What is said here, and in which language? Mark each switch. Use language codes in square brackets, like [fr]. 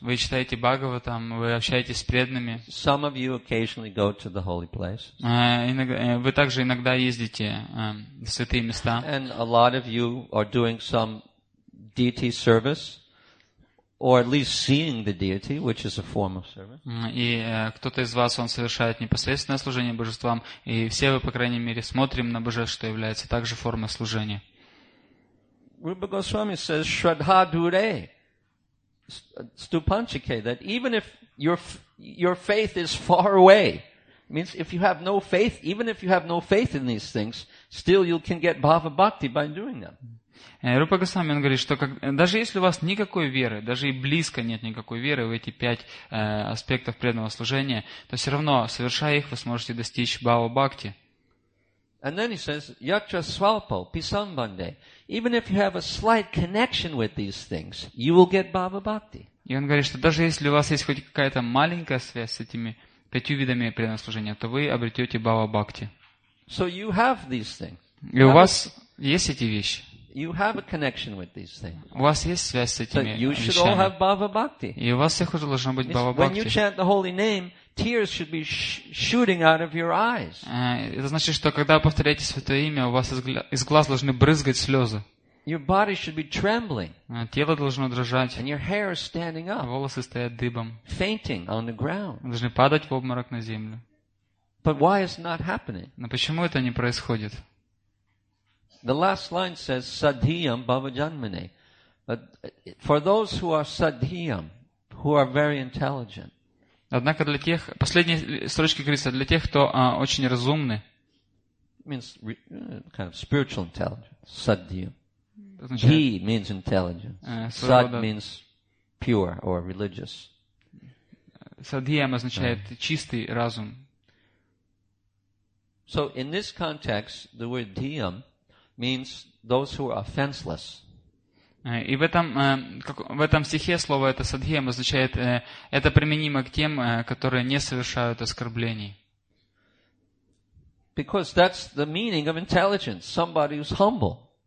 [ru] Вы читаете Бхагаватам, вы общаетесь с преданными. [en] Some of you occasionally go to the holy place. [ru] Вы также иногда ездите в святые места. [en] And a lot of you are doing some deity service, or at least seeing the deity, which is a form of service. [ru] И кто-то из вас, он совершает непосредственное служение божествам, и все вы, по крайней мере, смотрим на божество, что является также формой служения. [en] Rupa Goswami says, [sa] Shraddha Dure, Stupanchike, [en] that even if your faith is far away, means if you have no faith, even if you have no faith in these things, still you can get bhava bhakti by doing them. [ru] Рупа Госвами, он говорит, что даже если у вас никакой веры, даже и близко нет никакой веры в эти пять аспектов преданного служения, то все равно, совершая их, вы сможете достичь бхава бхакти. [en] And then he says, [sa] Yatra Swalpo, Pisambande. [en] Even if you have a slight connection with these things, you will get bhava bhakti. [ru] И он говорит, что даже если у вас есть хоть какая-то маленькая связь с этими пятью видами преданного служения, то вы обретете бхава бхакти. [en] So you have these things. [ru] И у вас есть эти вещи. [en] You have a connection with these things. [ru] У вас есть связь с этими вещами. [en] You should all have bhava bhakti. [ru] И у вас всех уже должно быть бхава [en] бхакти. When you chant the holy name, tears should be shooting out of your eyes. [ru] Это значит, что когда вы повторяете святое имя, у вас из глаз должны брызгать слезы. [en] Your body should be trembling. [ru] Тело должно дрожать. [en] And your hair is standing up. [ru] Волосы стоят дыбом. [en] Fainting on the ground. [ru] Должны падать в обморок на землю. [en] But why is not happening? [ru] Но почему это не происходит? [en] The last line says sadhiyam bhavajanmane. But for those who are sadhiyam, who are very intelligent. [ru] Однако для тех, последние строчки говорится, для тех, кто очень разумны. [en] Means kind of spiritual intelligence. Sadhiyam. He means intelligence. Sad means pure or religious. [ru] Sadhiyam означает чистый разум. [en] So in this context, the word dhiyam means those who are offenseless. [ru] И в этом стихе слово это садхиям означает это применимо к тем, которые не совершают оскорблений. [en] Because that's the meaning of intelligence, somebody who's humble.